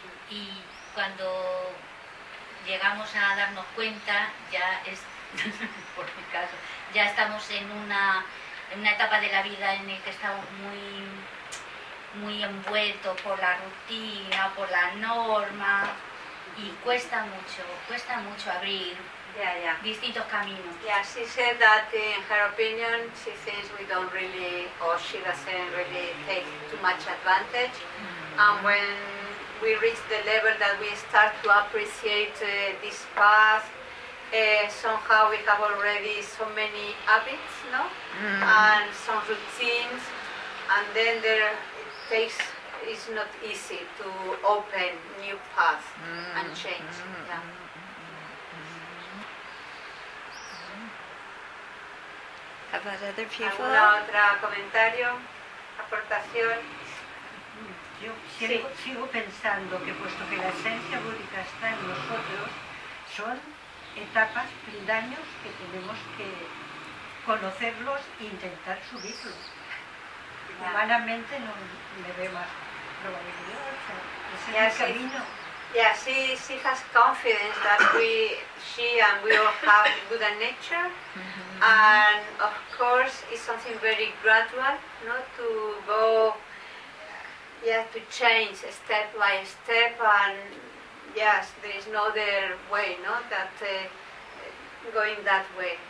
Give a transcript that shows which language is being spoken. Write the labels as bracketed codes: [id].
[es] Y cuando llegamos a darnos cuenta, ya es por mi caso, ya estamos en una etapa de la vida en la que estamos muy muy envueltos por la rutina, por la norma, y cuesta mucho abrir. [en] Yeah. [es] Distintos caminos. [en] Yeah, she said that in her opinion, she thinks we don't really, or she doesn't really take too much advantage. And when we reach the level that we start to appreciate this path, somehow we have already so many habits, no? And some routines, and then it's not easy to open new path and change. Yeah. About other people? [es] ¿Alguna otra comentario? ¿Aportación? Yo sigo pensando que puesto que la esencia búdica está en nosotros, son etapas, peldaños que tenemos que conocerlos e intentar subirlos. Humanamente no le veo más probabilidad. O sea, ese es el camino. [en] Yeah, she has confidence that she and we all have Buddha nature, mm-hmm. and of course it's something very gradual, not to go, to change step by step, and yes, there is no other way, no, that going that way.